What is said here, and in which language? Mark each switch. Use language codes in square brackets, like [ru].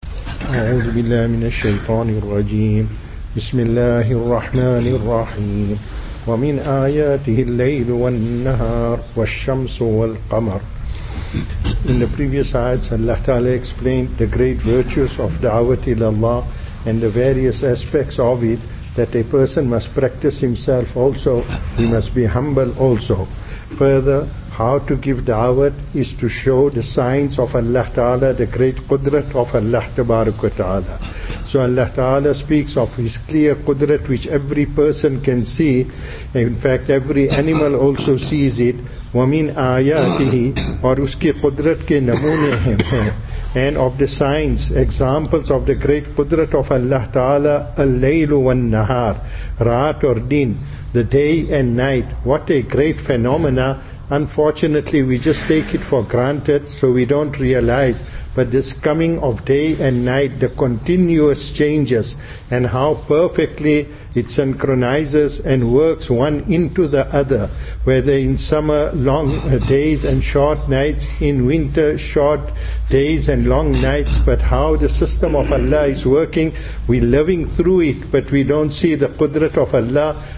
[ar] أعوذ بالله من الشيطان الرجيم. بسم الله الرحمن الرحيم. ومن آياته الليل والنهار والشمس والقمر. [en] In the previous ayats, Allah Ta'ala explained the great virtues of da'wat ila Allah and the various aspects of it, that a person must practice himself also, he must be humble also. Further, how to give da'wat is to show the signs of Allah Ta'ala, the great qudrat of Allah Tabarak wa Ta'ala. So Allah Ta'ala speaks of His clear qudrat which every person can see. In fact, every animal also sees it. [ar] وَمِنْ آيَاتِهِ [ur] اور اس کے قدرت کے نمونے ہیں. [en] And of the signs, examples of the great qudrat of Allah Ta'ala, [ar] اللَّيْلُ وَالنَّهَارِ [ur] رَاتْ اور دِن, [en] the day and night. What a great phenomena. Unfortunately, we just take it for granted, so we don't realize. But this coming of day and night, the continuous changes, and how perfectly it synchronizes and works one into the other, whether in summer long days and short nights, in winter short days and long nights, but how the system of Allah is working, we're living through it, but we don't see the qudrat of Allah.